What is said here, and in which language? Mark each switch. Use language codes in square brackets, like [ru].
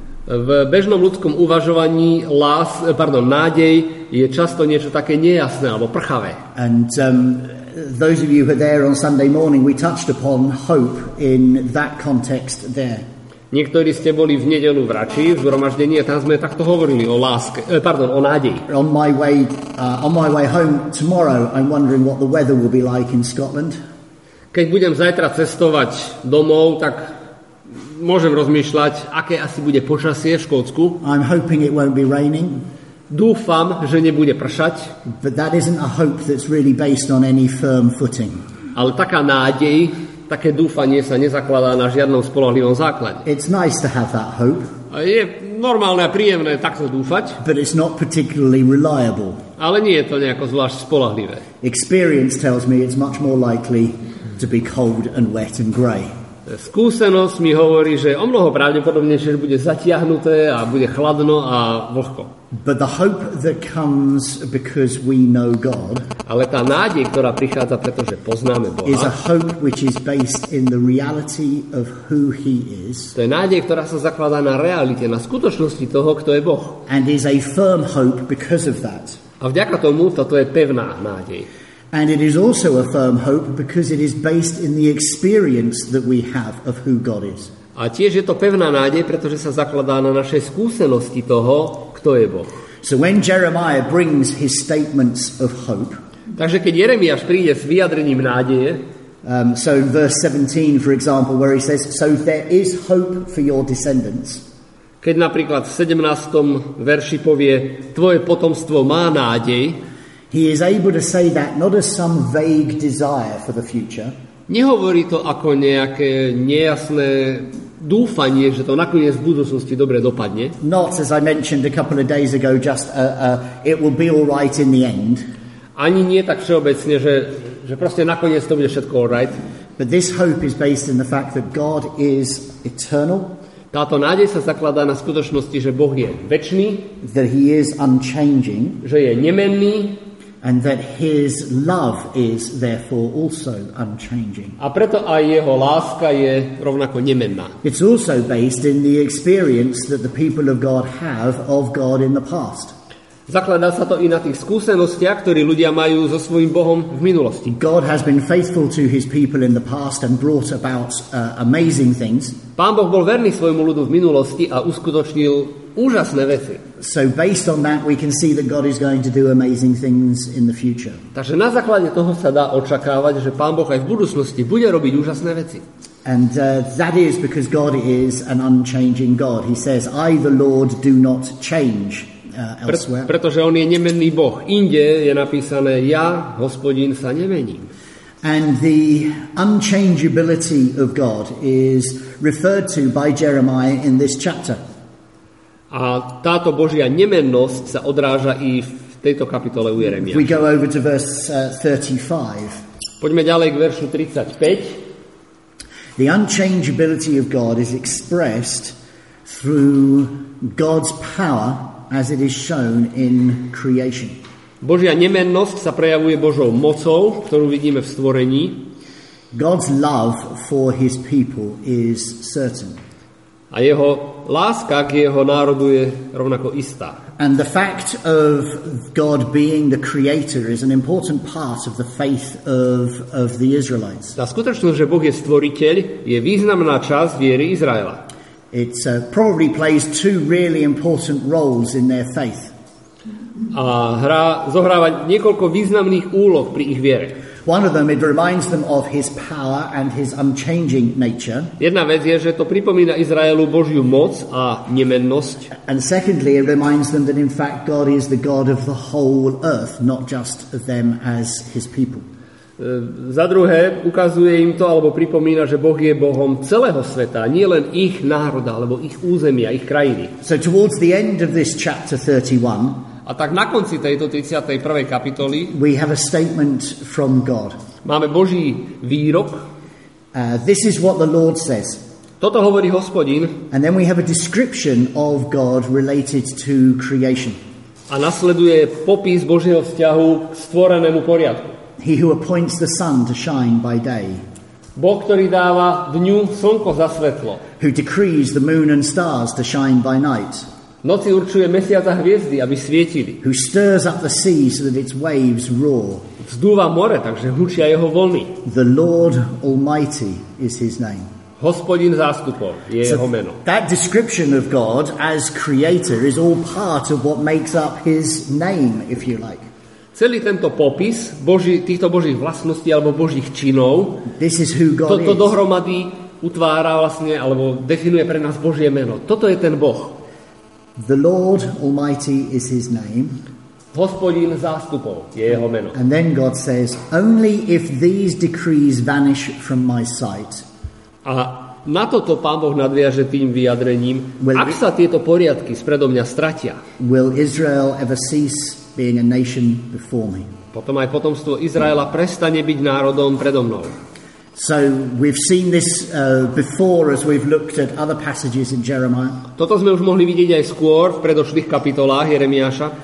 [sk] V bežnom ľudskom uvažovaní nádej je často niečo také nejasné alebo prchavé. [en] And those of you who are there on Sunday morning, we touched upon hope in that context there. [sk] Niektorí ste boli v nedeľu v Rači, v zhromaždení, a tam sme takto hovorili o láske, o nádeji. [en] On my way home tomorrow, I'm wondering what the weather will be like in Scotland. [sk] Keď budem zajtra cestovať domov, tak môžem rozmýšľať, aké asi bude počasie v Škótsku. [en] I'm hoping it won't be raining. [sk] Dúfam, že nebude pršať. [en] But that isn't a hope that's really based on any firm footing. [sk] Ale taká nádej, také dúfanie sa nezakladá na žiadnom spoľahlivom základe. [en] It's nice to have that hope. [sk] A je normálne a príjemné takto dúfať. [en] But it's not particularly reliable. [sk] Ale nie je to nejako zvlášť spoľahlivé. [en] Experience tells me it's much more likely to be cold and wet and grey. [sk] Skúsenosť mi hovorí, že o mnoho pravdepodobnejšie, že bude zatiahnuté a bude chladno a vlhko. [en] But the hope that comes because we know God. [sk] Ale tá nádej, ktorá prichádza, pretože poznáme Boha. [en] Is a hope which is based in the reality of who he is. [sk] To je nádej, ktorá sa zakladá na realite, na skutočnosti toho, kto je Boh. [en] And is a firm hope because of that. [sk] A vďaka tomu toto je pevná nádej. [en] And it is also a firm hope because it is based in the experience that we have of who God is. [sk] A tiež je to pevná nádej, pretože sa zakladá na našej skúsenosti toho, kto je Boh. [en] So when Jeremiah brings his statements of hope. [sk] Takže keď Jeremiáš príde s vyjadrením nádeje, [en] so in verse 17 for example where he says so there is hope for your descendants. [sk] Keď napríklad v 17. verši povie tvoje potomstvo má nádej, [en] he is able to say that not as some vague desire for the future. [sk] Nehovorí to ako nejaké nejasné dúfanie, že to nakoniec v budúcnosti dobre dopadne. [en] Not as I mentioned a couple of days ago, just it will be all right in the end. [sk] Ani nie tak všeobecne, že proste nakoniec to bude všetko [en] all right. But this hope is based in the fact that God is eternal. [sk] Táto nádej sa zakladá na skutočnosti, že Boh je večný. [en] That he is unchanging. [sk] Že je nemenný. [en] And that his love is therefore also unchanging. [sk] A preto aj jeho láska je rovnako nemenná. [en] It's also based in the experience that the people of God have of God in the past. [sk] Zakladá sa to i na tých skúsenostiach, ktoré ľudia majú so svojím Bohom v minulosti. [en] God has been faithful to his people in the past and brought about amazing things. [sk] Pán Boh bol verný svojmu ľudu v minulosti a uskutočnil úžasné veci. [en] So based on that we can see that God is going to do amazing things in the future. [sk] Takže na základe toho sa dá očakávať, že Pán Boh aj v budúcnosti bude robiť úžasné veci. [en] And that is because God is an unchanging God. He says, I the Lord do not change. [sk] Pretože on je nemenný Boh. Inde je napísané ja, Hospodin, sa nemením. [en] And the unchangeability of God is referred to by Jeremiah in this chapter. [sk] A táto Božia nemennosť sa odráža i v tejto kapitole u Jeremiáša. [en] We go over to verse 35. [sk] Poďme ďalej k veršu 35. [en] The unchangeability of God is expressed through God's power as it is shown in creation. [sk] Božia nemennosť sa prejavuje Božou mocou, ktorú vidíme v stvorení. [en] God's love for his people is certain. [sk] A jeho láska k jeho národu je rovnako istá. [en] And the fact of God being the creator is an important part of the faith of the Israelites. [sk] Tá skutočnosť, že Boh je stvoriteľ, je významná časť viery Izraela. [en] It probably plays two really important roles in their faith. [sk] A hra zohráva niekoľko významných úloh pri ich viere. [en] One of them, it reminds them of his power and his unchanging nature. [sk] Jedna vec je, že to pripomína Izraelu Božiu moc a nemennosť. [en] And secondly, it reminds them that in fact God is the God of the whole earth, not just them as his people. [sk] Za druhé, ukazuje im to, alebo pripomína, že Boh je Bohom celého sveta, nie len ich národa, alebo ich územia, ich krajiny. [en] So towards the end of this chapter 31, [sk] a tak na konci tejto 31. kapitoly [en] we have a statement from God. [sk] Máme Boží výrok. [en] This is what the Lord says. [sk] Toto hovorí Hospodin. [en] And then we have a description of God related to creation. [sk] A nasleduje popis Božieho vzťahu k stvorenému poriadku. [en] He who appoints the sun to shine by day. [sk] Boh, ktorý dáva dňu slnko za svetlo. [en] Who decrees the moon and stars to shine by night. [sk] Noci určuje mesiac a hviezdy, aby svietili. [en] Who stirs up the sea so that its waves roar. [sk] Vzdúva more, takže hučia jeho vlny. [en] The Lord Almighty is his name. [sk] Hospodin zástupov je jeho meno. [en] That description of God as creator is all part of what makes up his name, if you like. [sk] Celý tento popis týchto Božích vlastností alebo Božích činov, [en] this is who God [sk] to dohromady utvára vlastne alebo definuje pre nás Božie meno. Toto je ten Boh. [en] The Lord Almighty is his name. [sk] Hospodin zástupov je jeho meno. [en] And then God says, only if these decrees vanish from my sight. [sk] A na toto Pán Boh nadviaže tým vyjadrením, ak sa tieto poriadky spredo mňa stratia. [en] Will Israel ever cease being a nation before me? [sk] Potom aj potomstvo Izraela prestane byť národom predo mnou. [en] So we've seen this before as we've looked at other passages in Jeremiah. [sk] Toto sme už mohli vidieť aj skôr v predošlých kapitolách Jeremiáša.